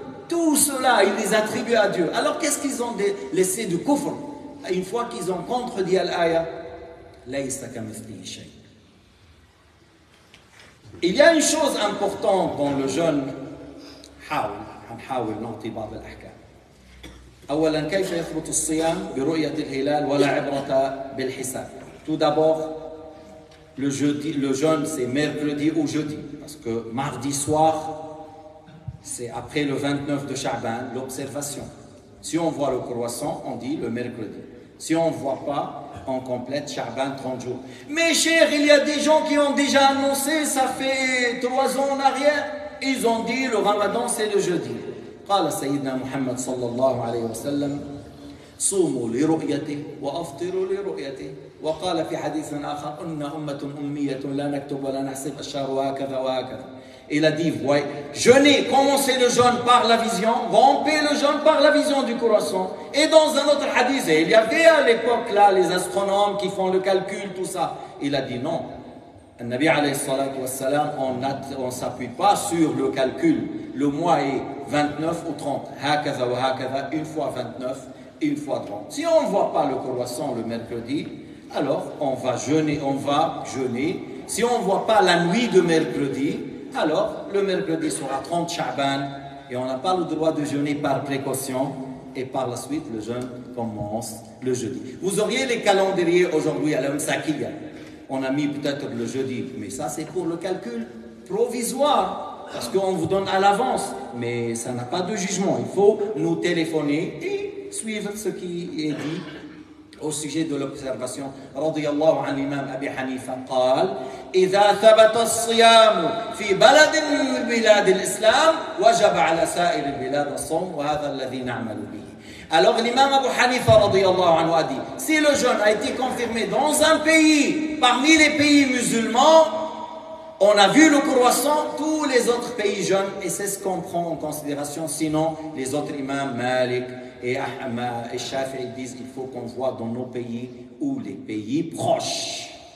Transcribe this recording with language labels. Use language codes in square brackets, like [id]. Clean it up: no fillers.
[fr] Tout cela, ils les attribuent à Dieu. Alors qu'est-ce qu'ils ont laissé du kufr une fois qu'ils ont contredit l'aïa? [ar] Laïsa kamithlihi shay. [fr] Il y a une chose importante dans le jeûne [ar] حاول عم حاول نعطي بعض الأحكام. أولا كيف يثبت الصيام برؤية الهلال ولا عبرة بالحساب. [fr] Tout d'abord, le jeûne c'est mercredi ou jeudi parce que mardi soir c'est après le 29 de Sha'ban l'observation. Si on voit le croissant, on dit le mercredi. Si on ne voit pas, on complète Sha'ban 30 jours. Mes chers, il y a des gens qui ont déjà annoncé, ça fait 3 ans en arrière. Ils ont dit le Ramadan c'est le jeudi. [ar] قال سيدنا محمد صلى الله عليه وسلم صوموا لرؤيته وافطروا لرؤيته. وقال في حديث آخر إن أمة أمية لا نكتب ولا نحسب الشهر وهكذا وهكذا. [fr] Il a dit jeûner, commencer le jeûne par la vision, romper le jeûne par la vision du croissant. Et dans un autre hadith, il y avait à l'époque là les astronomes qui font le calcul tout ça. Il a dit non. [ar] النبي عليه الصلاة والسلام [fr] on s'appuie pas sur le calcul. Le mois est 29 ou 30. [ar] هكذا وهكذا. [fr] Une fois 29, une fois 30. Si on ne voit pas le croissant le mercredi, alors on va jeûner. Si on ne voit pas la nuit de mercredi, alors le mercredi sera 30 Sha'ban et on n'a pas le droit de jeûner par précaution. Et par la suite, le jeûne commence le jeudi. Vous auriez les calendriers aujourd'hui à la Msakiya. On a mis peut-être le jeudi, mais ça c'est pour le calcul provisoire, parce qu'on vous donne à l'avance. Mais ça n'a pas de jugement. Il faut nous téléphoner et suivre ce qui est dit au sujet de l'observation. [ar] Radiyallahu an imam Abi Hanifa قال إذا ثبت الصيام في بلد من بلاد الإسلام وجب على سائر البلاد الصوم وهذا الذي نعمل به. [fr] Alors l'imam Abu Hanifa radiyallahu anhu a dit si le jeûne a été confirmé dans un pays parmi les pays musulmans, on a vu le croissant, tous les autres pays jeûnent et c'est ce qu'on prend en considération. Sinon les autres imams Malik et Ahmad et Shafi disent il faut qu'on voit dans nos pays ou les pays proches.